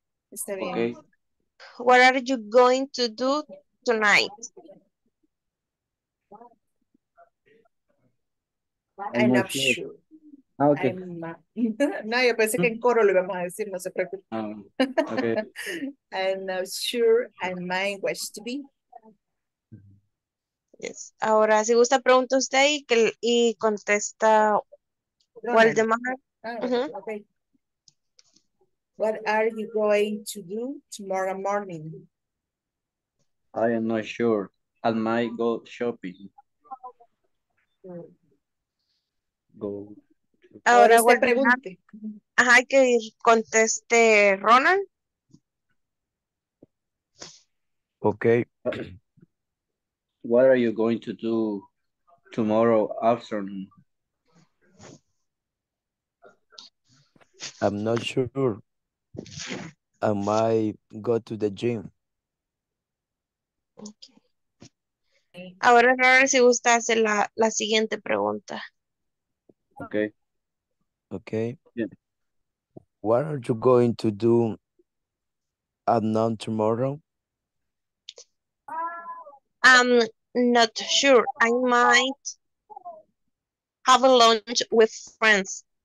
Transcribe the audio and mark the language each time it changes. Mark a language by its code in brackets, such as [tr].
[es] Está bien. [en] Okay. What are you going to do tonight? I'm not sure. Ah, okay. [es] No, yo pensé que en coro lo íbamos a decir, no se preocupe. [en] Okay. I'm not sure I might wish to be. Yes. [es] Ahora, si gusta, pregunta usted y contesta Waldemar. [en] Ah, uh-huh. Okay. What are you going to do tomorrow morning? I am not sure. I might go shopping. Go. [es] Ahora se pregunte. Ajá, que conteste Ronald. [en] Okay. What are you going to do tomorrow afternoon? I'm not sure. I might go to the gym. Okay. [es] Ahora, Rara, si gusta hacer la siguiente pregunta. [en] Okay. Okay. Yeah. What are you going to do at noon tomorrow? I'm not sure. I might have a lunch with friends.